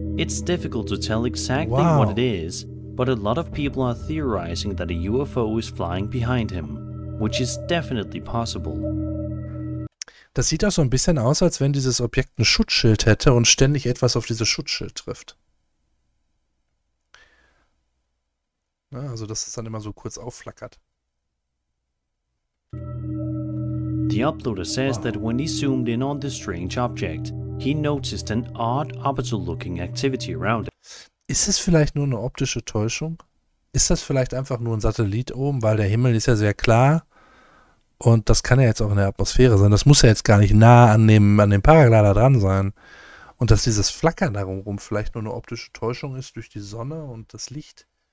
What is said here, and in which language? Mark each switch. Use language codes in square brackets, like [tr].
[en] It's difficult to tell exactly what it is, but a lot of people are theorizing that a UFO is flying behind him, which is definitely possible. [de] Das sieht auch so ein bisschen aus, als wenn dieses Objekt ein Schutzschild hätte und ständig etwas auf dieses Schutzschild trifft. Ja, also, dass es dann immer so kurz aufflackert. [en] The uploader says that when he zoomed in on this strange object, he noticed an odd, oppositional-looking activity around it. [de] Ist es vielleicht nur eine optische Täuschung? Ist das vielleicht einfach nur ein Satellit oben, weil der Himmel ist ja sehr klar und das kann ja jetzt auch in der Atmosphäre sein. Das muss ja jetzt gar nicht nah an dem Paraglider dran sein. Und dass dieses Flackern darum rum vielleicht nur eine optische Täuschung ist durch die Sonne und das Licht.